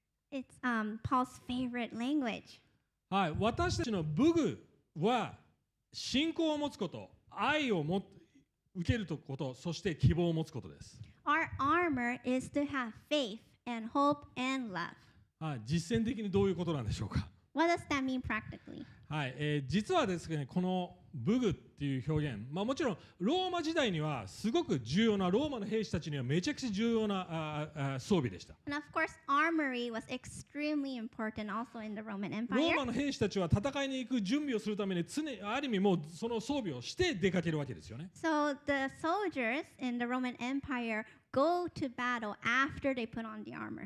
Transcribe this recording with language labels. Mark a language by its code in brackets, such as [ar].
[en] It's Paul's favorite language. [ja] はい、私たちの武具は信仰を持つこと、愛を受けること、そして希望を持つことです。 [en] Our armor is to have faith and hope and love. [ja] はい、実践的にどういうことなんでしょうか。 [en] What does that mean practically? [ja] はい、実はですね、この武具っていう表現、まあもちろんローマ時代にはすごく重要な、ローマの兵士たちにはめちゃくちゃ重要な装備でした。 [en] And of course, armory was extremely important also in the Roman Empire. [ja] ローマの兵士たちは戦いに行く準備をするために常にある意味もうその装備をして出かけるわけですよね。 [en] So the soldiers in the Roman Empire go to battle after they put on the armor.